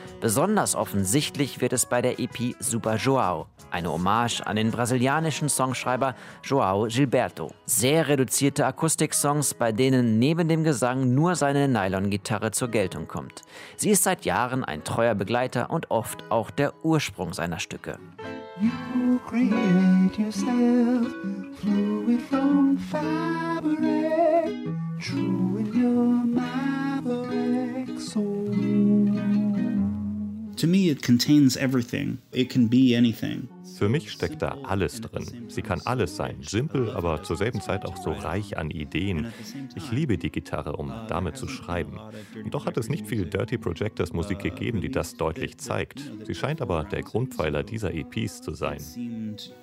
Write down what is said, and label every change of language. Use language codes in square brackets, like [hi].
[de] Besonders offensichtlich wird es bei der EP Super Joao, eine Hommage an den brasilianischen Songschreiber Joao Gilberto. Sehr reduzierte Akustiksongs, bei denen neben dem Gesang nur seine Nylon-Gitarre zur Geltung kommt. Sie ist seit Jahren ein treuer Begleiter und oft auch der Ursprung seiner Stücke. [en] You create yourself, fluid from fabric, true in your maverick soul. To me, it contains everything. It can be anything. [de] Für mich steckt da alles drin. Sie kann alles sein, simpel, aber zur selben Zeit auch so reich an Ideen. Ich liebe die Gitarre, um damit zu schreiben. Und doch hat es nicht viel Dirty Projectors Musik gegeben, die das deutlich zeigt. Sie scheint aber der Grundpfeiler dieser EPs zu sein.